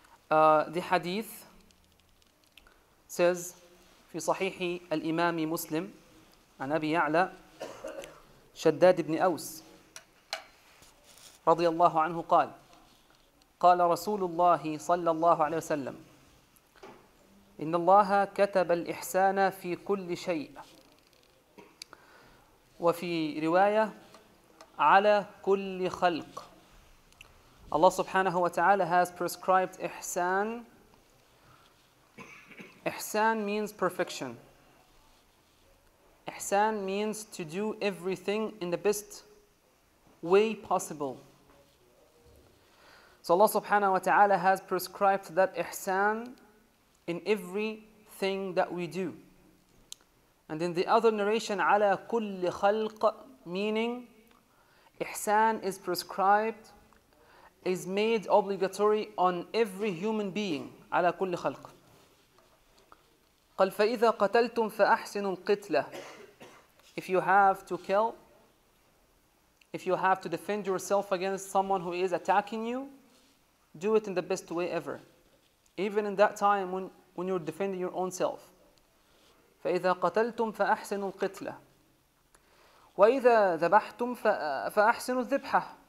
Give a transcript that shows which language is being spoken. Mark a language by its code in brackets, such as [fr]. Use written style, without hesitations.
[en] The hadith says, [ar] في صحيح الإمام مسلم عن أبي يعلى شداد بن أوس رضي الله عنه قال قال رسول الله صلى الله عليه وسلم إن الله كتب الإحسان في كل شيء وفي رواية على كل خلق. الله سبحانه وتعالى [en] has prescribed [ar] إحسان. [en] Ihsan means perfection. Ihsan means to do everything in the best way possible. So Allah subhanahu wa ta'ala has prescribed that ihsan in everything that we do. And in the other narration, ala kulli khalq, meaning ihsan is prescribed, is made obligatory on every human being, ala kulli khalq. [ar] قال فإذا قتلتم فأحسنوا القتلة. [en] If you have to kill, if you have to defend yourself against someone who is attacking you, do it in the best way ever. Even in that time when you're defending your own self. [ar] فإذا قتلتم فأحسنوا القتلة. وإذا ذبحتم فأحسنوا الذبحة.